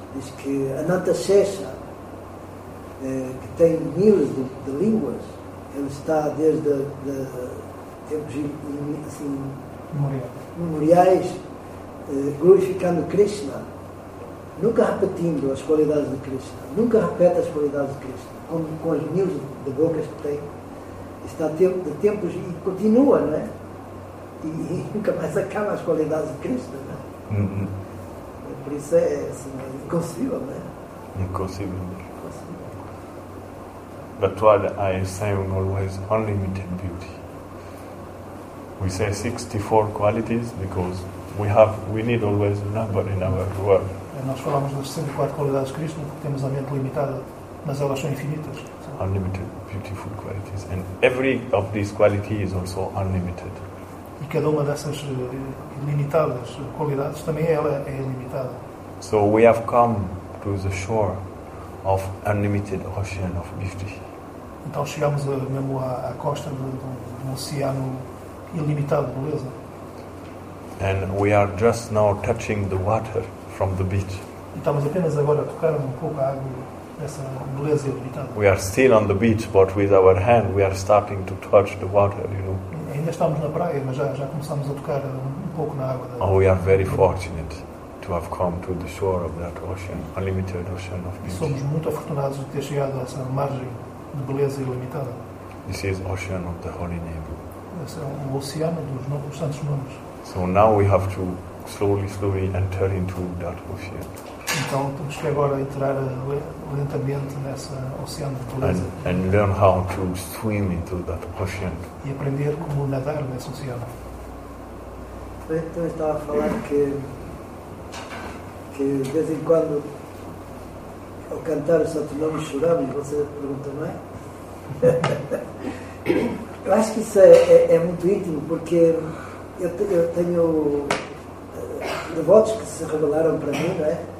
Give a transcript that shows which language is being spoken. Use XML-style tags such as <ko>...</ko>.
<pt>Diz que Ananta Shesha, que tem milhas de línguas, ele está desde tempos assim, memoriais, glorificando Krishna, nunca repetindo as qualidades de Krishna, nunca repete as qualidades de Krishna. Com as mil de bocas que tem, está de tempos e continua, não é? E nunca mais acaba as qualidades de Cristo, não é? Uhum. Por isso é, assim, é inconcebível, não é? Inconcebível.</pt> <en>But to other eyes, saying always unlimited beauty. We say 64 qualities because we need always a number in our world.</en> <pt>Nós falamos das 64 qualidades de Cristo porque temos a mente limitada. Mas elas são infinitas.</pt> <en>Unlimited beautiful qualities. And every of these qualities is also unlimited.</en> <pt>E cada uma dessas ilimitadas qualidades também ela é ilimitada.</pt> <en>So we have come to the shore of unlimited ocean of beauty.</en> <pt>Então chegamos mesmo à costa de um oceano ilimitado de beleza.</pt> <en>And we are just now touching the water from the beach.</en> <pt>E estamos apenas agora a tocar um pouco a água. Essa</pt> <en>we are still on the beach, but with our hand we are starting to touch the water, you know.</en> <pt>Ainda estamos na praia, mas já começamos a tocar um pouco na água.</pt> <en>Oh, we are very fortunate to have come to the shore of that ocean, unlimited ocean of beauty.</en> <pt>Somos muito afortunados de ter chegado a essa margem de beleza ilimitada.</pt> <en>This is ocean of the holy name.</en> <pt>Esse é o oceano dos novos santos nomes.</pt> <en>So now we have to slowly enter into that ocean.</en> <pt>Então temos que agora entrar lentamente nessa oceano de beleza.</pt> <en>And learn how to swim into that ocean.</en> <pt>E aprender como nadar nesse oceano. Então eu estava a falar que de vez em quando, ao cantar o Santo Nome choramos, você pergunta, não é? Eu acho que isso é muito íntimo, porque eu tenho devotos que se revelaram para mim, não é?</pt>